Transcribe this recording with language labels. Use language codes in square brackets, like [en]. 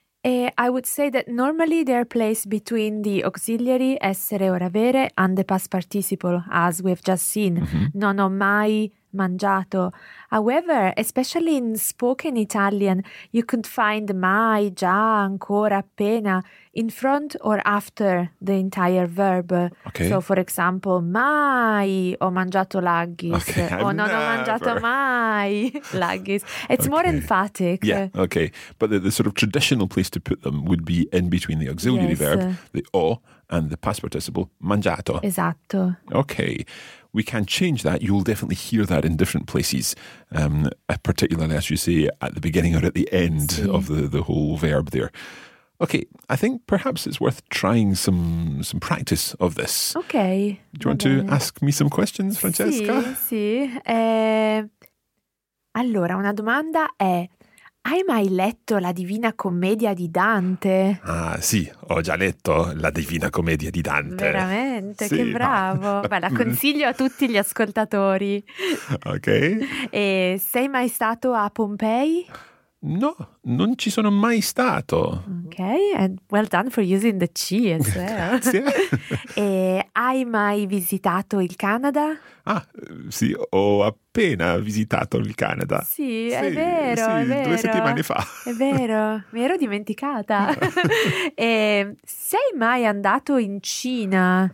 [en] I would say that normally they're placed between the auxiliary, essere or avere, and the past participle, as we've just seen. Mm-hmm. [it] Non ho mai mangiato. [en] However, especially in spoken Italian, you could find mai, già, ancora, appena in front or after the entire verb. Okay. So, for example, [it] mai ho mangiato l'haggis. [en] Okay, or [it] non ho mangiato mai l'haggis. [en] It's okay. More emphatic. Yeah, okay. But the sort of traditional place to put them would be in between the auxiliary yes. verb, the ho, and the past participle, mangiato. [it] Esatto. [en] Okay. We can change that. You'll definitely hear that in different places, particularly, as you say, at the beginning or at the end [it] sì. [en] Of the whole verb there. Okay, I think perhaps it's worth trying some practice of this. Okay. Do you want to ask me some questions, Francesca? [it] Sì, sì. Allora, una domanda è, hai mai letto la Divina Commedia di Dante? Ah, sì, ho già letto la Divina Commedia di Dante. Veramente, sì, che bravo. Ma... Beh, la consiglio a tutti gli ascoltatori. Ok. E sei mai stato a Pompei? No, non ci sono mai stato. [en] Ok, and well done for using the C as well. [it] Sì. E hai mai visitato il Canada? Ah, sì, ho appena visitato il Canada. Sì, sì è vero, sì, è vero. Due settimane fa. È vero, mi ero dimenticata. E sei mai andato in Cina?